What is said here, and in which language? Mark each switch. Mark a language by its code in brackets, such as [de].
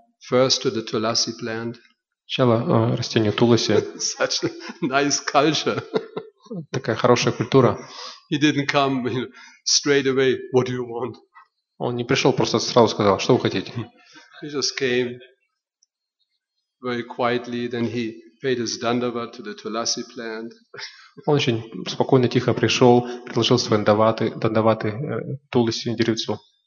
[en] First to the Tulasi plant. [ru] Сначала растение Туласи. [en] Such a nice culture. [ru] Такая хорошая культура. [en] He didn't come, you know, straight away. What do you want? [ru] Он не пришел, просто сразу сказал, что вы хотите. [en] He just came very quietly. Then he paid his dandava to the Tulasi plant. [ru] Он очень спокойно, тихо пришел, предложил свой дандаваты Туласи деревцу.